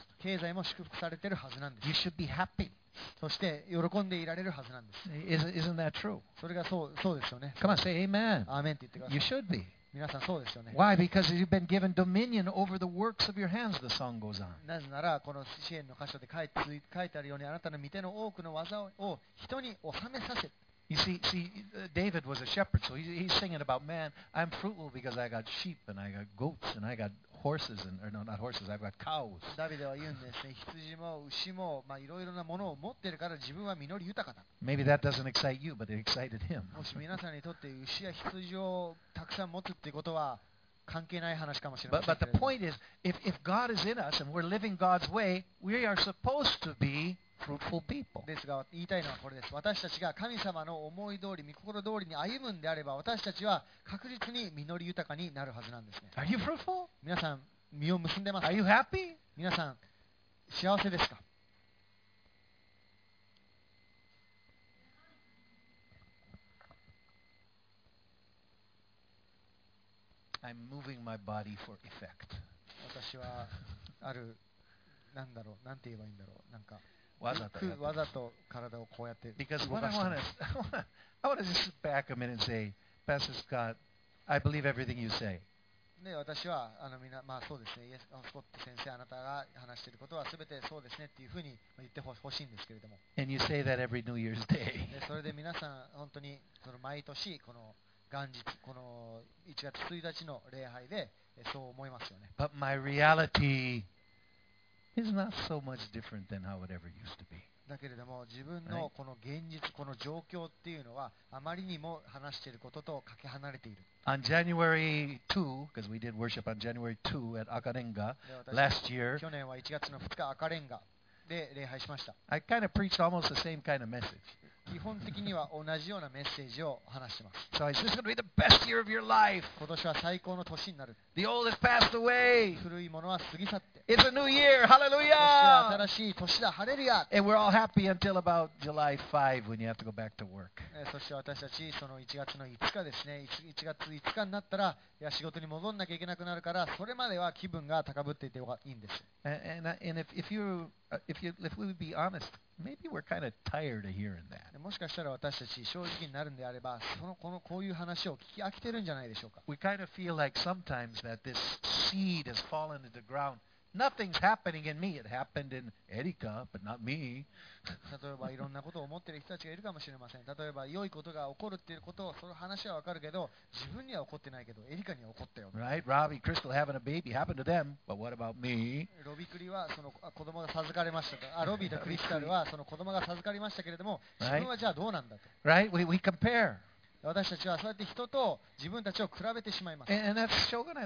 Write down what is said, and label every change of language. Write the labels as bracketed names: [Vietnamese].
[Japanese] 経済も祝福されているはずなんです。 [English] You should be happy. [Japanese] そして喜んでいられるはずなんです。 [English] Isn't that true? [Japanese] それがそうですよね。 [English] Come on, say amen. [Japanese] アーメンって言ってください。 [English] You should be. [Japanese] 皆さんそうですよね。 [English] Why? Because you've been given dominion over the works of your hands, the song goes on. [Japanese] なぜならこの詩篇の箇所で書いてあるようにあなたの御手の多くの技を人に治めさせ。 [English] You see, David was a shepherd, so he's singing about, man, I'm fruitful because I got sheep and I got goats and I got horses and, or no, not horses, I've got cows. [Japanese] ダビデは言うんですね。羊も牛も、まあ、いろいろなものを持ってるから自分は実り豊かだ。 [English] Maybe that doesn't excite you, but it excited him. [Japanese] もし皆さんにとって牛や羊をたくさん持つってことは関係ない話かもしれません。 [English] But the point is, if God is in us and we're living God's way, we are supposed to beFruitful people. [Japanese] ですが言いたいのはこれです。私たちが神様の思い通り、御心通りに歩むんであれば、私たちは確実に実り豊かになるはずなんですね。 [English] Are you fruitful? [Japanese] 皆さん実を結んでますか。 [English] Are you happy? [Japanese] 皆さん幸せですか。 [English] I'm moving my body for effect. [Japanese] 私はある何だろう、何て言えばいいんだろう、なんか。わざと体をこうやって動かして。 [English] Because what I want to just sit back a minute and say, Pastor Scott, I believe everything you say. [Japanese] ね、私はみんな、まあそうですね、スコット先生、あなたが話していることはすべてそうですねっていうふうに言ってほしいんですけれども。 [English] And you say that every New Year's Day. [Japanese] で、それで皆さん本当にその毎年この元日この1月1日の礼拝でそう思いますよね。 [English] But my reality. Is not so much different than how it ever used to be. [Japanese] だけれども自分のこの現実、この状況っていうのはあまりにも話していることとかけ離れている。 [English] On January 2, because we did worship on January 2 at Akarenga last year. [Japanese] 去年は1月の2日、アカレンガで礼拝しました。 [English] I kind of preached almost the same kind of message. [Japanese] 基本的には同じようなメッセージを話してます。 [English] So this is going to be the best year of your life. [Japanese] 今年は最高の年になる。 [English] The old has passed away. [Japanese] 古いものは過ぎ去って。 [English] It's a new year. Hallelujah. [Japanese] 新しい年だ。ハレルヤ。 [English] And we're all happy until about July 5 when you have to go back to work. [Japanese] そして私たちその1月の5日ですね。1月5日になったら、いや仕事に戻んなきゃいけなくなるから、それまでは気分が高ぶっていていいんです。 [English] And if we would be honest, maybe we're kind of tired of hearing that. [Japanese] もしかしたら私たち正直になるんであれば、こういう話を聞き飽きてるんじゃないでしょうか。 [English] We kind of feel like sometimes that this seed has fallen into the ground. Nothing's happening in me. It happened in Erica, but not me. [Japanese] 例えばいろんなことを思っている人たちがいるかもしれません。例えば良いことが起こるっていうことを、その話はわかるけど、自分には起こってないけど、エリカには起こったよ。 [English] Right, Robbie, Crystal having a baby happened to them, but what about me? [Japanese] ロビクリはその子供が授かりましたと。あ、ロビーとクリスタルはその子供が授かりましたけれども、自分はじゃあどうなんだと。 [English] Right, we compare. [Japanese] 私たちはそうやって人と自分たちを比べてしまいます。 [English] And that's [Japanese] しょうがない。